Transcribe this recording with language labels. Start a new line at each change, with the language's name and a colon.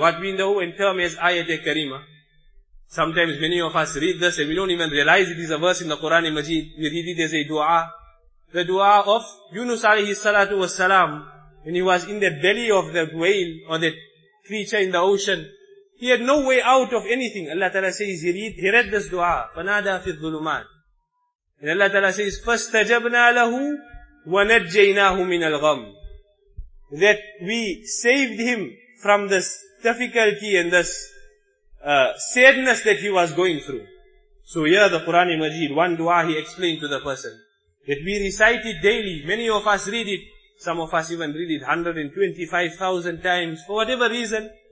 English: What we know in term is ayat al-kareemah. Sometimes many of us read this and we don't even realize it is a verse in the Quran and Majid. We read it as a dua. The dua of Yunus alayhi salatu was salam, when he was in the belly of that whale or that creature in the ocean. He had no way out of anything. Allah Ta'ala says he read this dua.
Arabic: فَنَادَى فِي الظُّلُمَاتِ.
English: And Allah Ta'ala says,
Arabic: فَاسْتَجَبْنَا لَهُ وَنَجَّيْنَاهُ مِنَ الْغَمِّ.
English: That we saved him from this difficulty and this sadness that he was going through. So here the Quran Majid, one dua he explained to the person. That we recite it daily. Many of us read it. Some of us even read it 125,000 times for whatever reason.